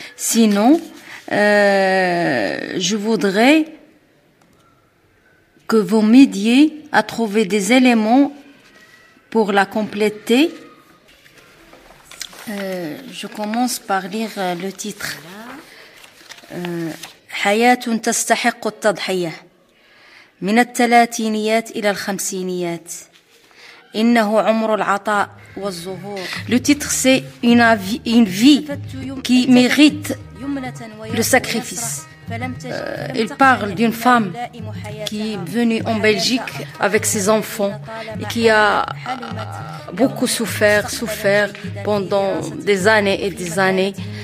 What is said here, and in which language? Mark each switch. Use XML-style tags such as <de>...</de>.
<fr>Sinon, je voudrais que vous m'aidiez à trouver des éléments pour la compléter. Je commence par lire le titre.</fr> <ar>حياه تستحق التضحيه من الثلاثينيات الى الخمسينيات انه عمر العطاء والظهور.</ar> <fr>Le titre c'est une vie qui mérite le sacrifice. Il parle d'une femme qui est venue en Belgique avec ses enfants et qui a beaucoup souffert pendant des années et des années.</fr>